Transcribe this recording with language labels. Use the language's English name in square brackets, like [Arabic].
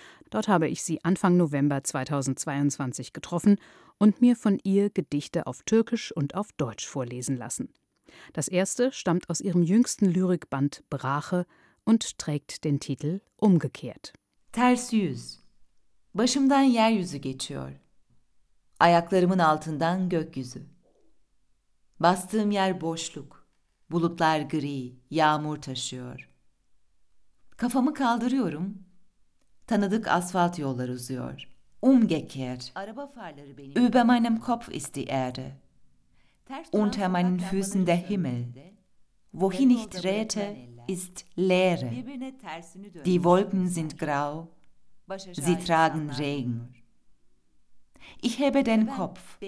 [German] Dort habe ich sie Anfang November 2022 getroffen und mir von ihr Gedichte auf Türkisch und auf Deutsch vorlesen lassen. Das erste stammt aus ihrem jüngsten Lyrikband Brache und trägt den Titel Umgekehrt. [Turkish] Ters yüz. Başımdan yeryüzü geçiyor. Ayaklarımın altından gökyüzü. Bastığım yer boşluk. Bulutlar gri, yağmur taşıyor. Kafamı kaldırıyorum. Tanıdık asfalt yollar uzuyor. [German] Umgekehrt. [Turkish] Araba farları benim. [German] Über meinem Kopf ist die Erde. Unter meinen Füßen der Himmel. Wohin ich trete, ist Leere. Die Wolken sind grau. Sie tragen Regen. Ich hebe den Kopf.